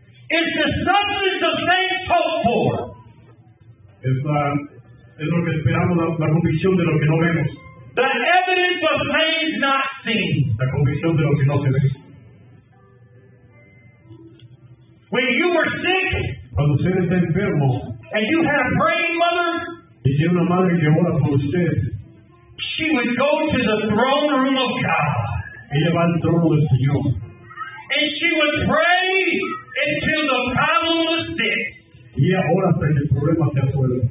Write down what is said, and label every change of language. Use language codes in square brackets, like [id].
[en] is the substance of things hoped for. [es] Es lo que esperamos, la convicción de lo que no vemos. [en] The evidence of things not seen. [es] La convicción de lo que no se ve. [en] When you were sick, [es] cuando usted está enfermo, [en] and you had a praying mother, [es] y tiene una madre que ora por usted, [en] she would go to the throne room of God. [es] Ella va al trono del Señor. [en] And she would pray until the problem was fixed. [es] Y ella ora hasta que el problema se resuelva.